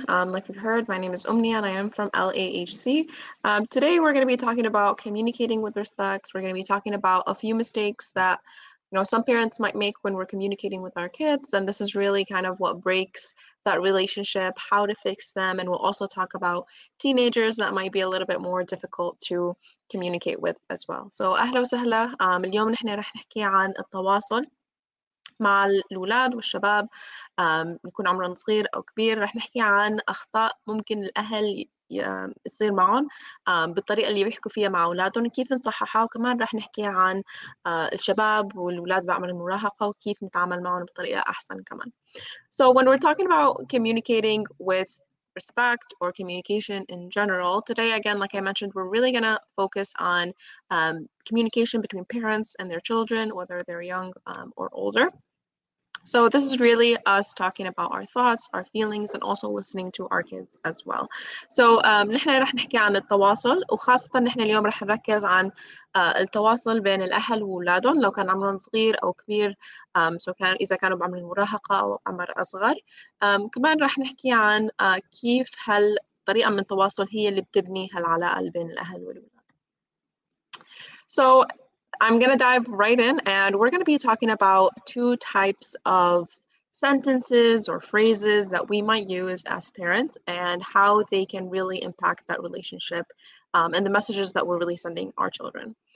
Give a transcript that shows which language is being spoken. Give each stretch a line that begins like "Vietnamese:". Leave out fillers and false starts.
English: Like you've heard, my name is Omnia and I am from LAHC. Today, we're going to be talking about communicating with respect. We're going to be talking about a few mistakes that some parents might make when we're communicating with our kids, and this is really kind of what breaks that relationship, how to fix them, and we'll also talk about teenagers that might be a little bit more difficult to communicate with as well. So,
Arabic: أهلا وسهلا. اليوم نحن رح نحكي عن التواصل مع الأولاد والشباب. يكون عمرهم صغير أو كبير. رح نحكي عن أخطاء ممكن الأهل يصير معهم بالطريقة اللي بيحكوا فيها مع أولادهم كيف نصححها وكمان رح نحكي عن الشباب والولاد بعمر المراهقة وكيف نتعامل معهم بطريقة أحسن كمان.
English: So when we're talking about communicating with respect or communication in general, today again, like I mentioned, we're really gonna focus on communication between parents and their children, whether they're young or older. So this is really us talking about our thoughts, our feelings, and also listening to our kids as well. So
Arabic: نحن رح نحكي عن التواصل وخاصة نحن اليوم رح نركز عن التواصل بين الأهل وولادهم لو كان عمرهم صغير أو كبير إذا كانوا بعمر المراهقة أو عمر أصغر. كمان رح نحكي عن كيف هل طريقة من التواصل هي اللي بتبني هالعلاقة بين الأهل والولاد.
English: So I'm going to dive right in, and we're going to be talking about two types of sentences or phrases that we might use as parents and how they can really impact that relationship and the messages that we're really sending our children.